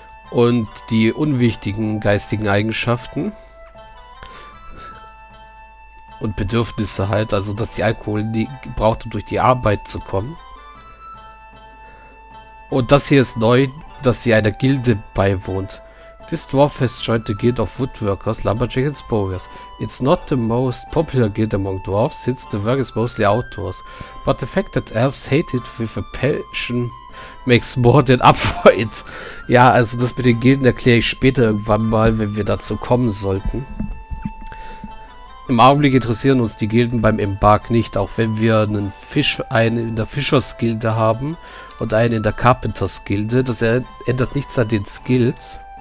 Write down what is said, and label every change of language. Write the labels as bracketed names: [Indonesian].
[German] Und die unwichtigen geistigen Eigenschaften. Und Bedürfnisse halt, also dass sie Alkohol nie braucht, um durch die Arbeit zu kommen. Und das hier ist neu, dass sie einer Gilde beiwohnt. [English] This dwarf has joined the Guild of Woodworkers, Lumberjacks and Spurriers. It's not the most popular guild among dwarves, since the work is mostly outdoors. But the fact that elves hate it with a passion makes more than up for it. [German] Ja, also das mit den Gilden erkläre ich später irgendwann mal, wenn wir dazu kommen sollten. Im Augenblick interessieren uns die Gilden beim Embark nicht, auch wenn wir einen in der Fischersgilde haben und einen in der Carpentersgilde. Das ändert nichts an den Skills.